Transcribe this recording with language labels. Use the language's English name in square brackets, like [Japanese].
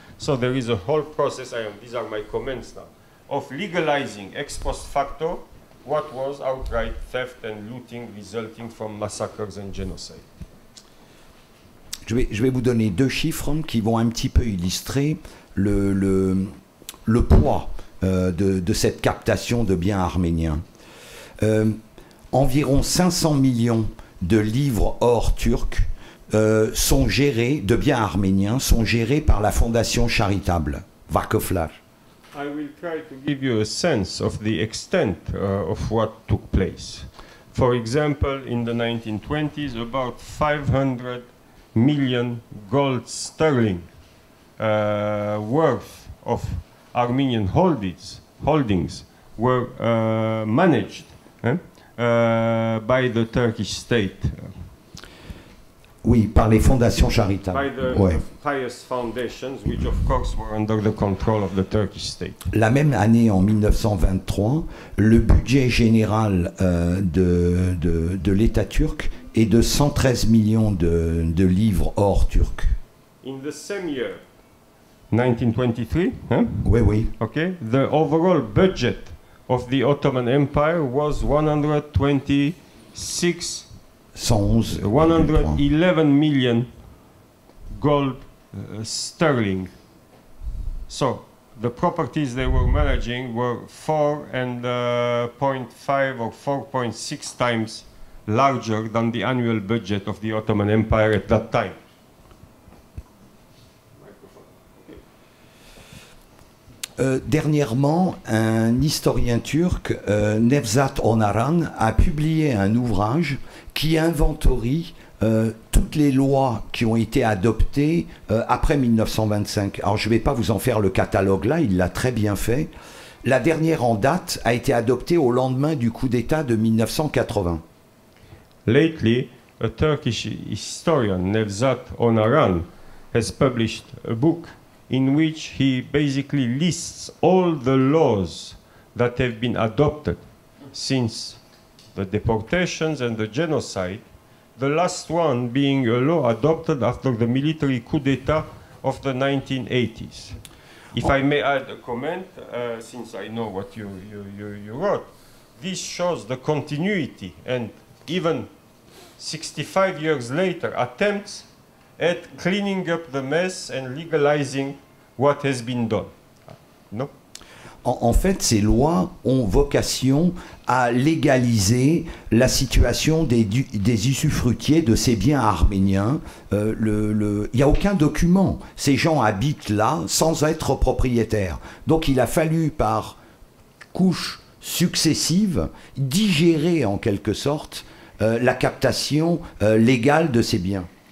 [English] So there is a whole process, these are my comments now, of legalizing ex post facto what was outright theft and looting resulting from massacres and genocide. [French] Je vais vous donner deux chiffres qui vont un petit peu illustrer le poids de cette captation de biens arméniens. Environ 500 millions de livres or turcs sont gérés, de biens arméniens, sont gérés par la fondation charitable, Vakıflar. [English] I will try to give you a sense of the extent of what took place. For example, in the 1920s, about 500 million gold sterling worth of Armenian holdings were managed by the Turkish state. [French] Oui, par les fondations charitables. [English] By the, [French] ouais. [English] The pious foundations, which of course were under the control of the Turkish state. [French] La même année, en 1923, le budget général de l'État turc est de 113 millions de livres or turc. [English] In the same year, 1923, [French] hein? Oui, oui. [English] Okay. The overall budget of the Ottoman Empire was 111 million gold sterling. So the properties they were managing were 4.5 or 4.6 times larger than the annual budget of the Ottoman Empire at that time. [French] Dernièrement, un historien turc, Nevzat Onaran, a publié un ouvrage qui inventorie toutes les lois qui ont été adoptées après 1925. Alors, je ne vais pas vous en faire le catalogue là, il l'a très bien fait. La dernière en date a été adoptée au lendemain du coup d'État de 1980. [English] Lately, a Turkish historian, Nevzat Onaran, has published a book in which he basically lists all the laws that have been adopted since the deportations and the genocide, the last one being a law adopted after the military coup d'etat of the 1980s. If I may add a comment, since I know what you wrote, this shows the continuity and even 65 years later attempts at cleaning up the mess and legalizing what has been done. No? [French] En fait, ces lois ont vocation à légaliser la situation des usufruitiers de ces biens arméniens. Il n'y a aucun document. Ces gens habitent là sans être propriétaires. Donc il a fallu, par couches successives, digérer en quelque sorte la captation légale de ces biens.